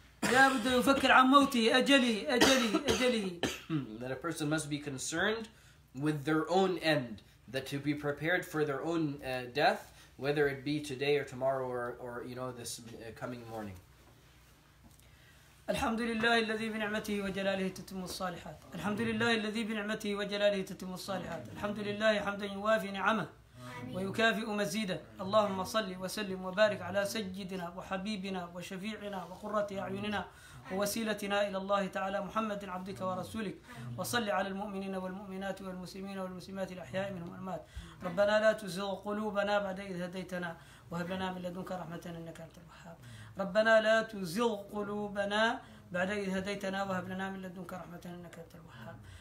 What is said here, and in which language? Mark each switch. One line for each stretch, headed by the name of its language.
Arabic: لا بد يفكر عن موته أجلي أجلي أجلي.
English: That a person must be concerned with their own end, that to be prepared for their own death, whether it be today or tomorrow or you know this coming morning.
Arabic: الحمد لله الذي بنعمته وجلاله تتم الصالحات. الحمد لله الذي بنعمته وجلاله تتم الصالحات. الحمد لله حمدا يوافي نعمه. ويكافئ مزيدا اللهم صل وسلم وبارك على سيدنا وحبيبنا وشفيعنا وقرة أعيننا ووسيلتنا إلى الله تعالى محمد عبدك ورسولك وصل على المؤمنين والمؤمنات والمسلمين والمسلمات الأحياء منهم والأموات ربنا لا تزغ قلوبنا بعد إذ هديتنا وهب لنا من لدنك رحمة إنك أنت الوهاب ربنا لا تزغ قلوبنا بعد إذ هديتنا وهب لنا من لدنك رحمة إنك أنت الوهاب